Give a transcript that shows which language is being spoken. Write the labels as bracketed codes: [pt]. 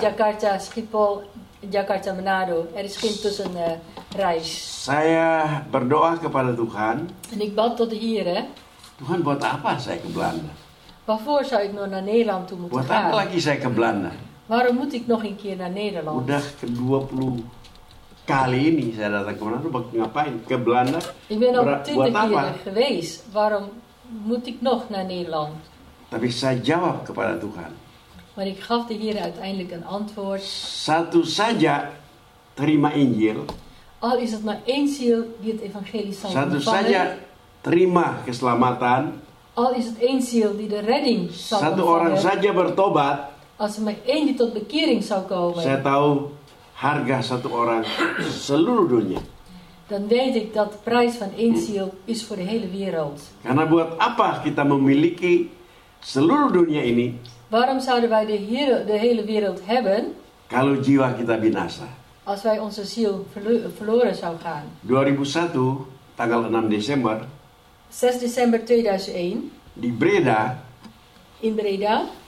[nl] Jakarta, Schiphol, Jakarta, Manado. Er is geen tussenreis. [id] Saya berdoa kepada Tuhan. [nl] En ik bad tot de Heer, hè. [id] Tuhan, buat apa saya ke Belanda? [nl] Waarvoor zou ik nog naar Nederland toe moeten [id] buat [nl] gaan? [id] Buat apa lagi saya ke Belanda? [nl] Waarom moet ik nog een keer naar Nederland? [id] Udah ke 20 kali ini saya datang ke Manado, buat ngapain? Ke Belanda? [nl] Ik ben al 20 keer geweest. Waarom moet ik nog naar Nederland? [id] Tapi saya jawab kepada Tuhan. [nl] Maar ik gaf de Heer uiteindelijk een antwoord. [id] Satu saja terima Injil. [nl] Al is het maar één ziel die het evangelie zal ontvangen. [id] Satu saja terima keselamatan. [nl] Al is het één ziel die de redding zal ontvangen. [id] Satu orang saja bertobat. [nl] Als er maar één die tot bekering zou komen. [id] Saya tahu harga satu orang seluruh dunia. [nl] Dan weet ik dat de prijs van één ziel is voor de hele wereld. [id] Karena buat apa kita memiliki seluruh dunia ini? [nl] Waarom zouden wij de hele wereld hebben? [id] Kalau jiwa kita binasa. [nl] Als wij onze ziel verloren zou gaan. [id] 2001, tanggal 6 Desember. 6 Desember 2001. Di Breda. [nl] In Breda.